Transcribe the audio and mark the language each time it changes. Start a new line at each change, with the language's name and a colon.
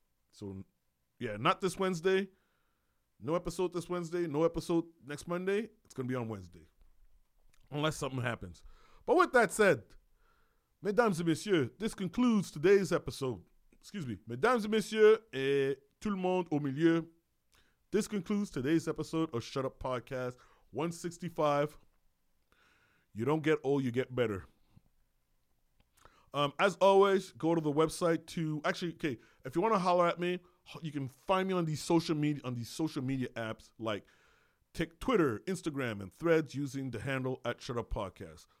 English: So, yeah, not this Wednesday. No episode this Wednesday. No episode next Monday. It's going to be on Wednesday. Unless something happens. But with that said,
French: mesdames et messieurs,
English: this concludes today's episode.
French: Mesdames et messieurs, et tout le monde au milieu.
English: This concludes today's episode of Shut Up Podcast. 165, you don't get old, you get better. As always, go to the website if you want to holler at me, you can find me on these social media apps like Twitter, Instagram, and Threads using the handle @ShutUpPodcast.